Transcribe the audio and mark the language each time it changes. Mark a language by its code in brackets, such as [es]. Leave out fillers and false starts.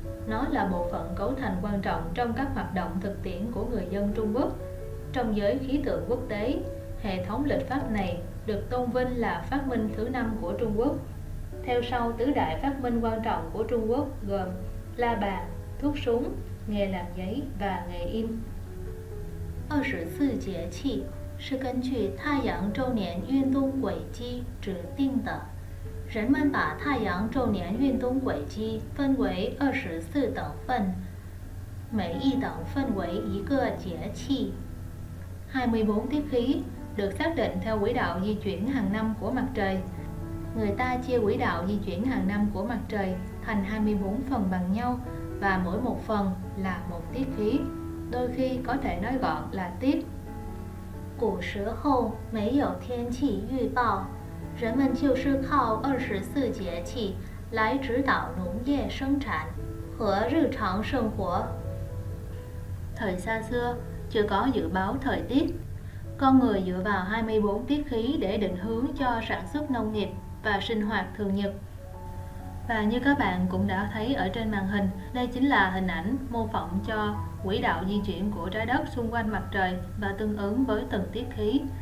[vi] Nó là bộ phận cấu thành quan trọng trong các hoạt động thực tiễn của người dân Trung Quốc. Trong giới khí tượng quốc tế, hệ thống lịch pháp này được tôn vinh là phát minh thứ 5 của Trung Quốc. Theo sau tứ đại phát minh quan trọng của Trung Quốc gồm la bàn, thuốc súng, nghề làm giấy và nghề in. [zh] 24节气 是根据太阳昼年运动轨迹指定的。人们把太阳昼年运动轨迹分为24等份，每一等分为一个节气。 [vi] 24 tiết khí được xác định theo quỹ đạo di chuyển hàng năm của mặt trời. Người ta chia quỹ đạo di chuyển hàng năm của mặt trời thành 24 phần bằng nhau và mỗi một phần là một tiết khí. Đôi khi có thể nói gọn là tiết. [zh] 古时候没有天气预报，人们就是靠24节气来指导农业生产和日常生活。 [vi] Thời xa xưa chưa có dự báo thời tiết, con người dựa vào 24 tiết khí để định hướng cho sản xuất nông nghiệp và sinh hoạt thường nhật. Và như các bạn cũng đã thấy ở trên màn hình, đây chính là hình ảnh mô phỏng cho quỹ đạo di chuyển của trái đất xung quanh mặt trời và tương ứng với từng tiết khí.